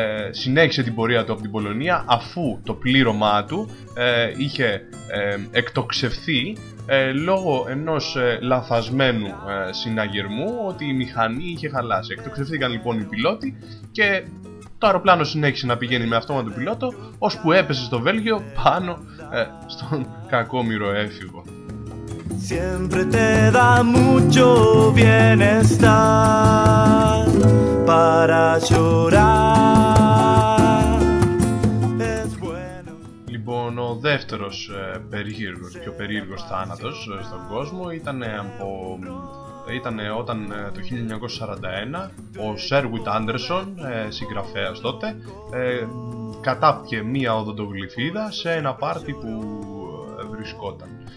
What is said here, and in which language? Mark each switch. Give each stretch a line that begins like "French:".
Greek: Συνέχισε την πορεία του από την Πολωνία αφού το πλήρωμά του είχε εκτοξευθεί λόγω ενός λαθασμένου συναγερμού ότι η μηχανή είχε χαλάσει. Εκτοξευθήκαν λοιπόν οι πιλότοι και το αεροπλάνο συνέχισε να πηγαίνει με αυτόματο πιλότο ώσπου έπεσε στο Βέλγιο πάνω στον κακόμοιρο έφηβο.
Spanish: Siempre te da mucho bienestar para llorar. Es bueno.
Greek: Λοιπόν, ο δεύτερος περίεργος, πιο περίεργος θάνατος στον κόσμο ήταν όταν το 1941 ο Σέρουιτ Άντερσον, συγγραφέας τότε, κατάπιε μία οδοντογλυφίδα σε ένα πάρτι που βρισκόταν.